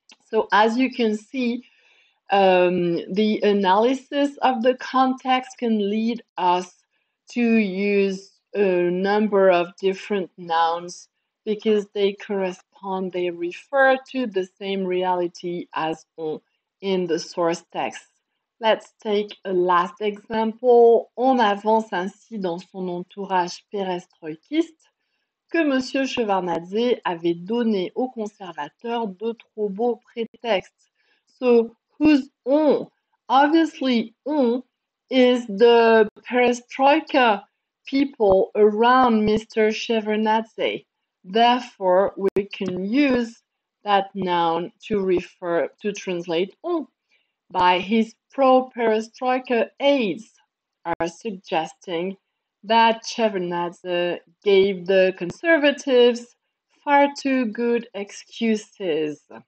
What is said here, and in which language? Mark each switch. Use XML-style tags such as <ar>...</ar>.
<en>So as you can see, the analysis of the context can lead us to use a number of different nouns because they correspond, they refer to the same reality as on in the source text. Let's take a last example.</en> <fr>On avance ainsi dans son entourage perestroïquiste que Monsieur Chevarnadze avait donné aux conservateurs de trop beaux prétextes.</fr> <en>So, who's on? Obviously, on is the perestroika people around Mr. Chevarnadze. Therefore, we can use that noun to refer to translate on by his pro-perestroika aides are suggesting that Chevarnadze gave the conservatives far too good excuses.</en>